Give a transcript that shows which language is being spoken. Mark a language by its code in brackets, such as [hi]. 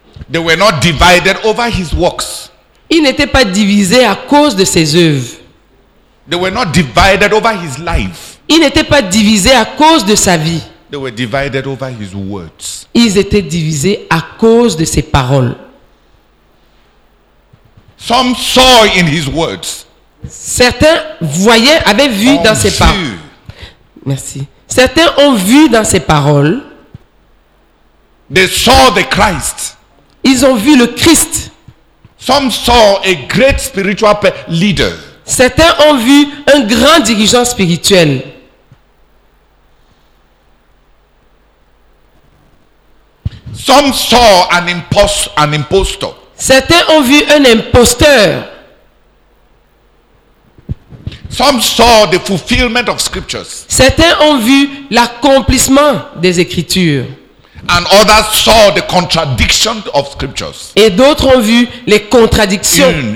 [en] They were not divided over his works. [fr] Ils n'étaient pas divisés à cause de ses œuvres. [en] They were not divided over his life. [fr] Ils n'étaient pas divisés à cause de sa vie. [en] They were divided over his words. [fr] Ils étaient divisés à cause de ses paroles. [en] Some saw in his words. [fr] Certains voyaient, avaient vu dans ses paroles. Merci. Certains ont vu dans ses paroles. [en] They saw the Christ. [fr] Ils ont vu le Christ. [en] Some saw a great spiritual leader. [fr] Certains ont vu un grand dirigeant spirituel. [en] Some saw an imposter. [fr] Certains ont vu un imposteur. [en] Some saw the fulfillment of scriptures. [fr] Certains ont vu l'accomplissement des Écritures. [en] And others saw the contradiction of scriptures. [fr] Et d'autres ont vu les contradictions.